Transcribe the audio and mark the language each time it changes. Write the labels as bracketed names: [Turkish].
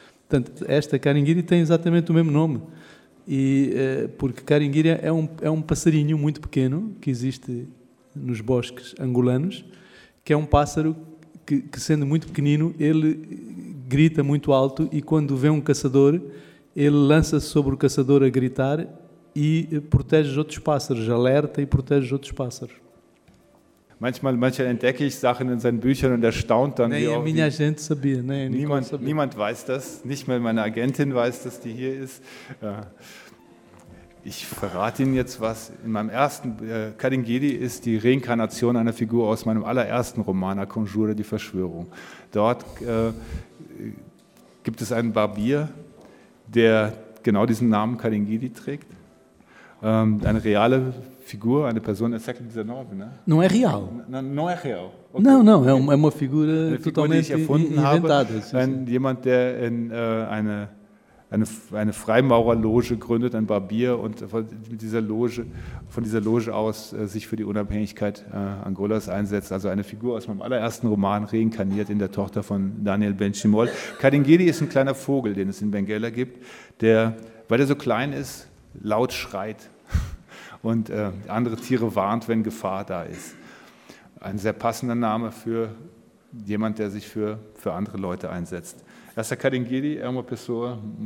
[Portuguese] Portanto, esta Kadingidi tem exatamente o mesmo nome. E, porque Kadingidi é um passarinho muito pequeno que existe nos bosques angolanos, que é um pássaro que, sendo muito pequenino, ele grita muito alto e, quando vê um caçador, ele lança-se sobre o caçador a gritar e protege os outros pássaros, alerta e protege os outros pássaros. [German] Manchmal entdecke ich Sachen in seinen Büchern und erstaunt dann. Nein, meine Agentin [Portuguese] sabia. [German] Niemand weiß das, nicht mal meine Agentin weiß, dass die hier ist. Ich verrate Ihnen jetzt was. In meinem ersten Kadingidi ist die Reinkarnation einer Figur aus meinem allerersten Roman, A Conjura, die Verschwörung. Dort gibt es einen Barbier, der genau diesen Namen Kadingidi trägt. Eine reale Figur, eine Person des [Portuguese] século XIX, ne? Não é real. Não é real. Okay. Não, é uma figura totalmente inventada. [German] Jemand, der in eine Freimaurerloge gründet, ein Barbier, und von dieser Loge aus sich für die Unabhängigkeit Angolas einsetzt. Also eine Figur aus meinem allerersten Roman, reinkarniert in der Tochter von Daniel Benchimol. Kadingidi ist ein kleiner Vogel, den es in Benguela gibt, der, weil er so klein ist, laut schreit. Und andere Tiere warnt, wenn Gefahr da ist. Ein sehr passender Name für jemand, der sich für andere Leute einsetzt. [Portuguese] Essa Kadingidi é uma pessoa.